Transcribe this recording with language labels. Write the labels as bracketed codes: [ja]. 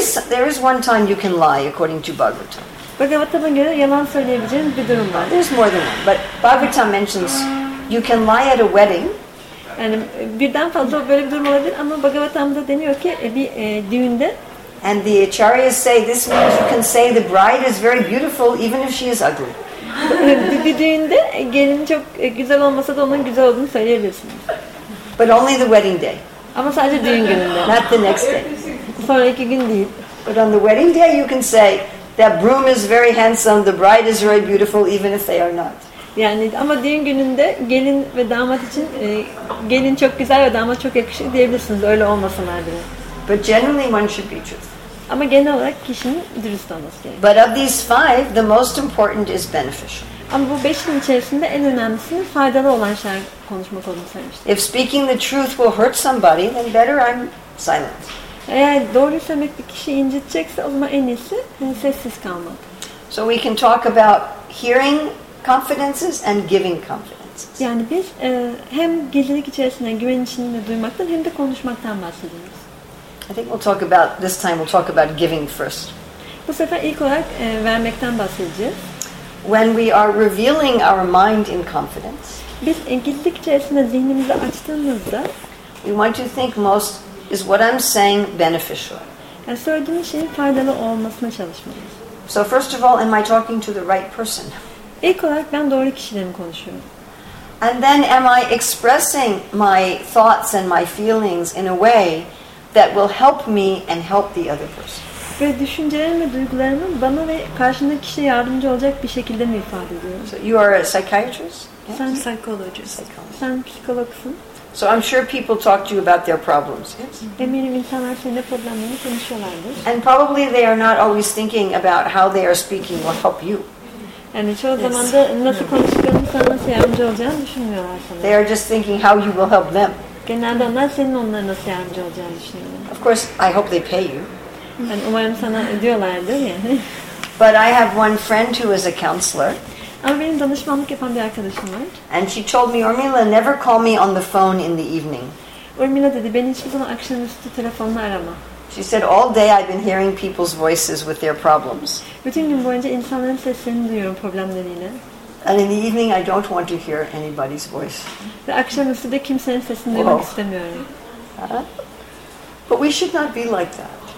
[en] There is one time you can lie according to Bhagavatam. [tr] Bhagavatam'a göre yalan söyleyebileceğin bir durum var. [en] There's more than one. But Bhagavatam mentions you can lie at a wedding. [tr] Yani birden fazla böyle bir durum olabilir ama Bhagavatam'da deniyor ki bir düğünde. [en] And the acharyas say this means you can say the bride is very beautiful even if she is ugly. [tr] Bir düğünde gelin çok güzel olmasa da onun güzel olduğunu söyleyebilirsiniz. [en] But only the wedding day. [tr] Ama sadece düğün gününde. [en] Not the next day. [tr] Sonraki gün değil. [en] But on the wedding day you can say that broom is very handsome, the bride is very beautiful, even if they are not. [tr] Yani ama düğün gününde gelin ve damat için gelin çok güzel ve damat çok yakışıklı diyebilirsiniz. Öyle olmasınlar bile. [en] But generally one should be truthful. [tr] Ama genel olarak kişinin dürüst olması gerekiyor. [en] But of these five, the most important is beneficial. [tr] Ama bu beşin içerisinde en önemlisi faydalı olan şeyler konuşmak olduğunu söylemiştim. [en] If speaking the truth will hurt somebody, then better I'm silent. [tr] Eğer doğru söylemek bir kişiyi incitecekse o zaman en iyisi sessiz kalmak. [en] So we can talk about hearing confidences and giving confidences. [tr] Yani biz hem gizlilik içerisinde güven içinde duymaktan hem de konuşmaktan bahsediyoruz. [en] I think we'll talk about giving first. [tr] Bu sefer ilk olarak vermekten bahsedeceğiz. [en] When we are revealing our mind in confidence, [tr] biz gizlilik içerisinde zihnimizi açtığımızda, [en] we want to think most is what I'm saying beneficial. [tr] Yani söylediğim şeyin faydalı olmasına çalışmalıyız. [en] So first of all, am I talking to the right person? [tr] İlk olarak ben doğru kişiyle mi konuşuyorum? [en] And then am I expressing my thoughts and my feelings in a way that will help me and help the other person? [tr] Ve düşüncelerimi, duygularımı bana ve karşımdaki kişiye yardımcı olacak bir şekilde mi ifade ediyorum? [en] So you are a psychiatrist? Yes. [tr] Sen psikologist. Sen psikologsun. [en] So I'm sure people talk to you about their problems. [tr] Eminim insanlar senin problemlerini konuşuyorlardır. [en] And probably they are not always thinking about how they are speaking will help you. [tr] Yani çoğu zaman da nasıl konuştuğunu sana nasıl yardımcı olacağını düşünmüyorlar sana. [en] They are just thinking how you will help them. [tr] Genelde onlar senin onlara nasıl yardımcı olacağını düşünüyorlar. [en] Of course, I hope they pay you. [tr] Yani umarım sana ödüyorlardır yani. [en] But I have one friend who is a counselor. [tr] Ama benim danışmanlık yapan bir arkadaşım var. [en] And she told me, Urmila, never call me on the phone in the evening. [tr] Urmila dedi, beni hiçbir zaman akşamüstü telefonla arama. [en] She said, all day I've been hearing people's voices with their problems. [tr] Bütün gün boyunca insanların seslerini duyuyorum problemleriyle. [en] And in the evening I don't want to hear anybody's voice. [tr] Ve akşamüstü de kimsenin sesini duymak istemiyorum. [en] But we should not be like that.